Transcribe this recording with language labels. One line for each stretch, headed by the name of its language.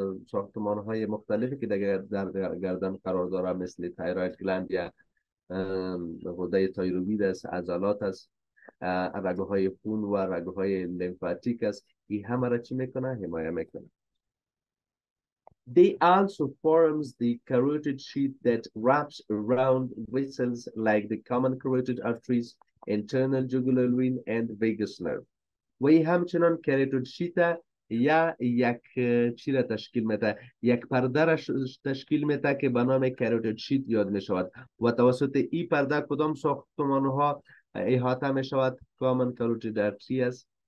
Persian: ساختمان های مختلفی که در گردن قرار دارند مثل تایروید گلند یا غده تایروید است، عضلات است، رگه های خون و رگه های لیمفاتیک است. این همه را چی میکنه؟ حمایه میکنه.
English: They also forms the carotid sheath that wraps around vessels like the common carotid arteries, internal jugular vein and vagus nerve.
Persian: و ای همچنان carotid sheath یا یک چی را تشکیل میده؟ یک پرده را تشکیل میده که به نام carotid sheath یاد میشود. و توسط ای پرده کدام ساختمان ها احاطه میشود؟ common carotid artery است.